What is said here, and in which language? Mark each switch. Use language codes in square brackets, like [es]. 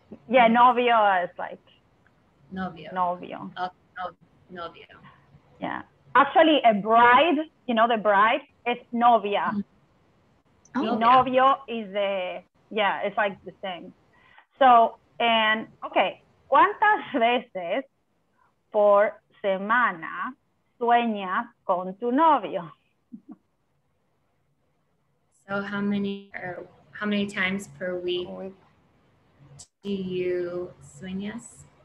[en] Yeah, novio is like. [es] Novio. Novio. Novio. [en] Yeah. Actually, a bride, you know, the bride is novia. Mm-hmm. Oh, novio is the, yeah, it's like the same. So, and, okay. [es] ¿Cuántas veces por semana sueñas con tu novio? [en] So, how many times per week do you sueñas?